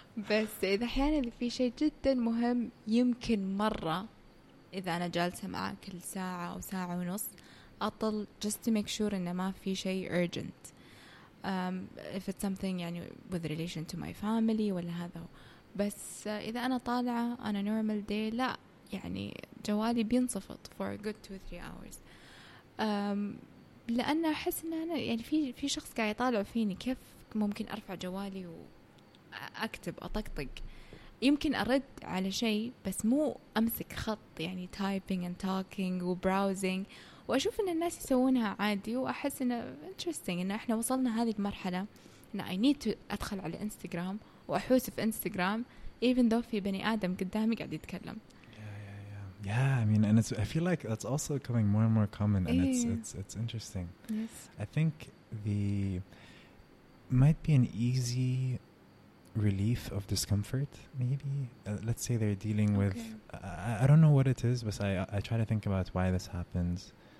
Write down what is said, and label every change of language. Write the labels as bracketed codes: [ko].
[ar] بس إذا أحيانا إذا في شيء جدا مهم, يمكن مرة إذا أنا جالسة معاه كل ساعة أو ساعة ونص, أطل [en] just to make sure [ar] إنه ما في شيء urgent. [en] If it's something يعني with relation to my family [ar] ولا هذا. بس إذا أنا طالعة [en] on a normal day, [ar] لا يعني جوالي بينصفط [en] for a good 2-3 hours. [ar] لأن أحس إن أنا يعني في شخص قاعد يطالع فيني, كيف ممكن أرفع جوالي و أكتب أطقطق؟ يمكن أرد على شيء بس مو أمسك خط, يعني [en] typing and talking [ar] وbrowsing. وأشوف إن الناس يسوونها عادي, وأحس إن interesting إن إحنا وصلنا هذه المرحلة إن [en] I need to [ar] أدخل على إنستغرام وأحوس في إنستغرام [en] even though [ar] في بني آدم قدامي قاعد يتكلم. [en] Yeah, I mean, and it's, I feel like that's also coming more and more common, and it's interesting. Yes, I think the might be an easy relief of discomfort, maybe. Let's say they're dealing okay. with, I don't know what it is, but I try to think about why this happens.